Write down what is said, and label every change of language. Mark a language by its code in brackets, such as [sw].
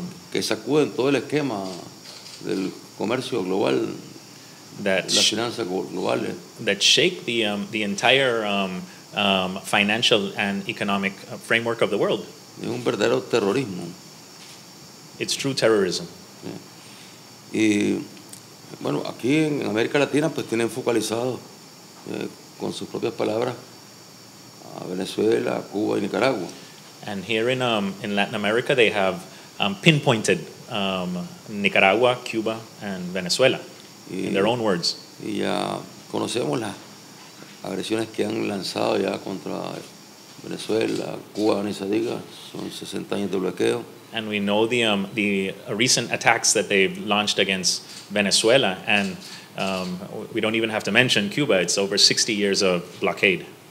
[es] Que sacuden todo el esquema del comercio global, las finanzas globales. [en] That shake the entire financial and economic framework of the world. [es] Es un verdadero terrorismo. [en] It's true terrorism. Yeah. [es] Y bueno, aquí en América Latina pues tienen focalizado con sus propias palabras a Venezuela, Cuba y Nicaragua. [en] And here in Latin America they have pinpointed Nicaragua, Cuba, and Venezuela, in their own words. [es] Y ya conocemos las agresiones que han lanzado ya contra Venezuela, Cuba, ni se diga, son 60 años de bloqueo. [en] And we know the recent attacks that they've launched against Venezuela, and we don't even have to mention Cuba, it's over 60 years of blockade.